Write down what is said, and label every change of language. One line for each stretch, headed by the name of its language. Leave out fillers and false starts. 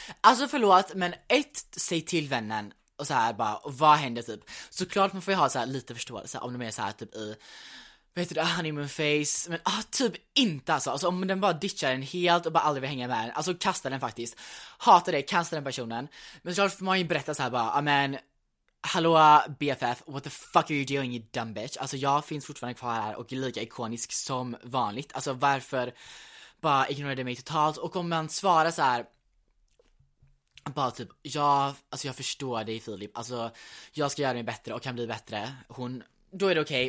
Swedish: Alltså förlåt, men ett, säg till vännen och så här bara, vad händer typ? Såklart man får ju ha så här lite förståelse om de är så här typ i, vad heter det,
English: honeymoon face.
Swedish: Men typ inte alltså. Alltså om den bara ditchar en helt och bara aldrig vill hänga med den. Alltså kasta den faktiskt. Hata det, kasta den personen. Men såklart får man ju berätta så här bara, amen.
English: Hallå BFF, what the fuck are you doing, you dumb bitch?
Swedish: Alltså jag finns fortfarande kvar här och är lika ikonisk som vanligt. Alltså varför bara ignorerade mig totalt? Och om man svarar så här, bara typ, ja, alltså jag förstår dig Filip. Alltså jag ska göra mig bättre och kan bli bättre. Hon, då är det okej.